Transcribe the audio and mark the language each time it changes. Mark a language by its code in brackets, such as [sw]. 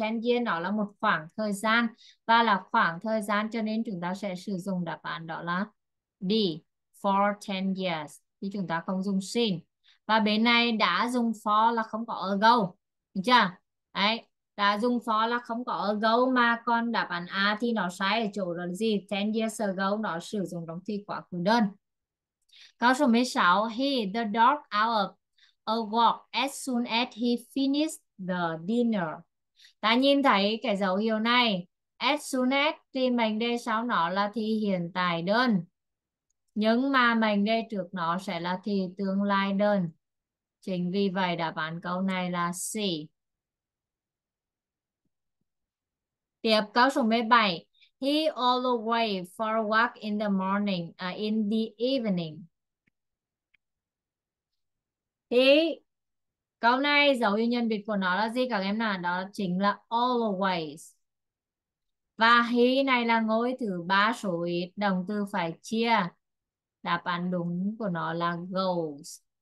[vi] 10 year nó là một khoảng thời gian và là khoảng thời gian cho nên chúng ta sẽ sử dụng đáp án đó là D, [en] for 10 years. [vi] Thì chúng ta không dùng since. Và bên này đã dùng for là không có ago. Được chưa? Đấy. Đã dùng for là không có ago mà còn đáp án A thì nó sai ở chỗ đó là gì? [en] 10 years ago [vi] nó sử dụng trong thi quá khứ đơn. Câu số 16. [en] He the dog out of a walk as soon as he finished the dinner. [vi] Ta nhìn thấy cái dấu hiệu này. As soon as thì mệnh đề sau nó là thi hiện tại đơn. Nhưng mà mệnh đề trước nó sẽ là thi tương lai đơn. Chính vì vậy đáp án câu này là C. Tiếp câu số 17. [en] He always for a walk in the morning, in the evening. [vi] Thì câu này dấu hiệu nhân vị của nó là gì các em nào? Đó chính là always. Và he này là ngôi thứ ba số ít, động từ phải chia. Đáp án đúng của nó là goes.